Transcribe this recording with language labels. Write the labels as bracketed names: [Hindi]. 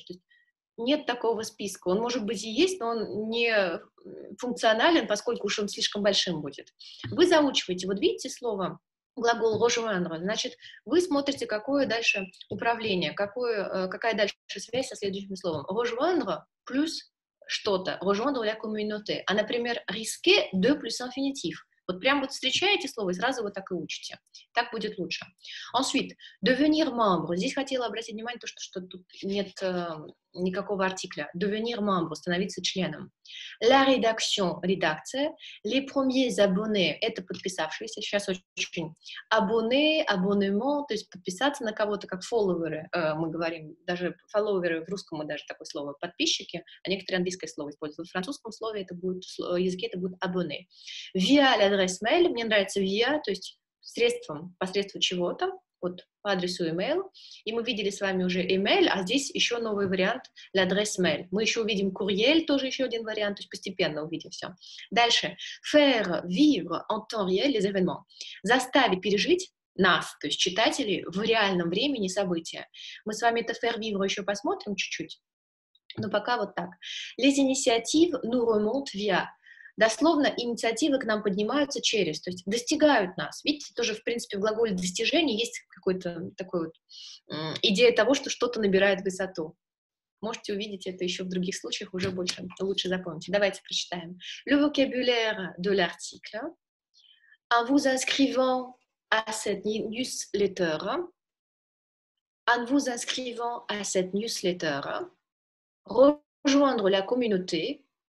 [Russian] То есть нет такого списка. Он, может быть, и есть, но он не функционален, поскольку уж он слишком большим будет. Вы заучиваете. Вот видите слово, глагол [French] rejoindre. [Russian] Значит, вы смотрите, какое дальше управление, какое, какая дальше связь со следующим словом. [French] Rejoindre [Russian] плюс что-то. [French] Rejoindre la communauté. [Russian] А, например, [French] risquer de plus infinitif. [Russian] Вот прям вот встречаете слово и сразу вот так и учите. Так будет лучше. [French] Ensuite, devenir membre. [Russian] Здесь хотела обратить внимание, что тут нет никакого артикля. [French] Devenir membre, [Russian] становиться членом. [French] La rédaction, [Russian] редакция. [French] Les premiers abonnés, [Russian] это подписавшиеся. Сейчас очень abonné, abonnement, то есть подписаться на кого-то, как followers, мы говорим. Даже followers в русском мы даже такое слово, подписчики. А некоторые английское слово используют. В французском слове это будет, языке это будет abonné. [French] Via l'adresse mail, [Russian] мне нравится via, то есть средством, посредством чего-то. Вот по адресу email, и мы видели с вами уже email, а здесь еще новый вариант, [French] l'adresse mail. [Russian] Мы еще увидим courriel, тоже еще один вариант, то есть постепенно увидим все. Дальше. [French] Faire vivre en temps réel les événements. [Russian] Заставить пережить нас, то есть читателей, в реальном времени события. Мы с вами это [French] faire vivre [Russian] еще посмотрим чуть-чуть, но пока вот так. [French] Les initiatives nous remontent via. [Russian] Дословно, инициативы к нам поднимаются через, то есть достигают нас. Видите, тоже, в принципе, в глаголе достижения есть какой-то такой вот идея того, что что-то набирает высоту. Можете увидеть это еще в других случаях, уже больше, лучше запомните. Давайте прочитаем. [French] Le vocabulaire de l'article. En vous inscrivant à cette newsletter. En vous inscrivant à cette newsletter. Rejoindre la communauté.